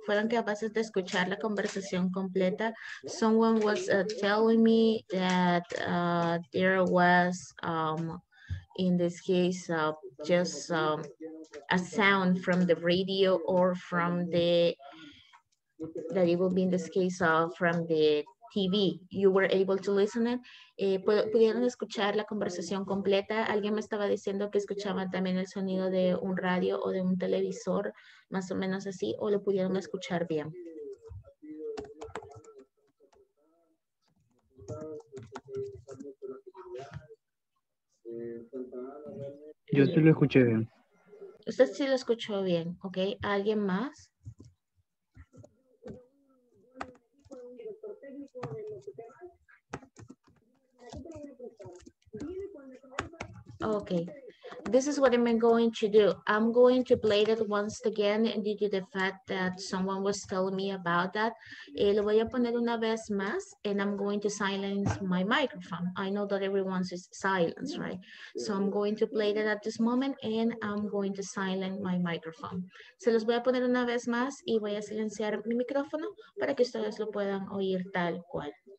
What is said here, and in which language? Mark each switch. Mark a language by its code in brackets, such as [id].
[es] ¿Fueron capaces de escuchar la conversación completa? [en] Someone was telling me that there was, in this case, just a sound from the radio or from the, that it will be in this case from the TV. You were able to listen it. [es] ¿Pudieron escuchar la conversación completa? Alguien me estaba diciendo que escuchaban también el sonido de un radio o de un televisor, más o menos así, o lo pudieron escuchar bien. Yo sí lo escuché bien. Usted sí lo escuchó bien, ¿ok? ¿Alguien más? [en] Okay, this is what I'm going to do. I'm going to play that once again due to the fact that someone was telling me about that. [es] Lo voy a poner una vez más, [en] and I'm going to silence my microphone. I know that everyone's is silence, right? So I'm going to play that at this moment, and I'm going to silence my microphone. [es] Se los voy a poner una vez más, y voy a silenciar mi micrófono para que ustedes lo puedan oír tal cual.